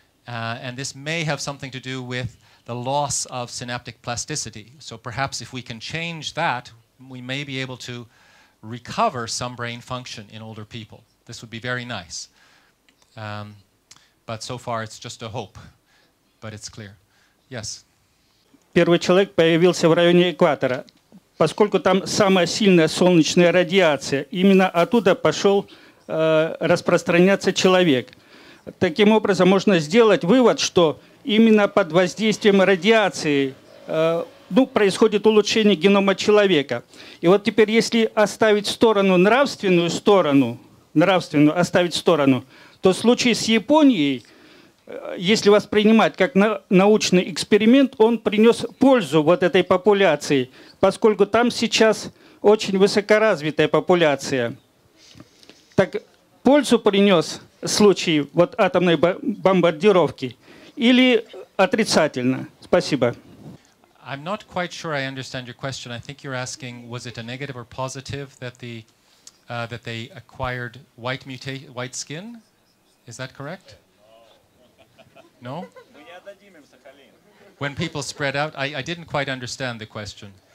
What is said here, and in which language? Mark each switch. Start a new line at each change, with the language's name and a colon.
English: And this may have something to do with the loss of synaptic plasticity. So perhaps if we can change that, we may be able to recover some brain function in older people. This would be very nice. But so far it's just a hope, but it's clear. Yes.
Russian: Первый человек появился в районе экватора, поскольку там самая сильная солнечная радиация. Именно оттуда пошел распространяться человек. Таким образом, можно сделать вывод, что именно под воздействием радиации происходит улучшение генома человека. И вот теперь, если оставить в сторону нравственную оставить в сторону, то случай с Японией, если воспринимать как научный эксперимент, он принес пользу вот этой популяции, поскольку там сейчас очень высокоразвитая популяция. Так, пользу принес случай вот атомной бомбардировки или отрицательно? Спасибо.
English: I'm not quite sure I understand your question. I think you're asking, was it a negative or positive that the that they acquired white white skin? Is that correct? No? When people spread out, I didn't quite understand the question.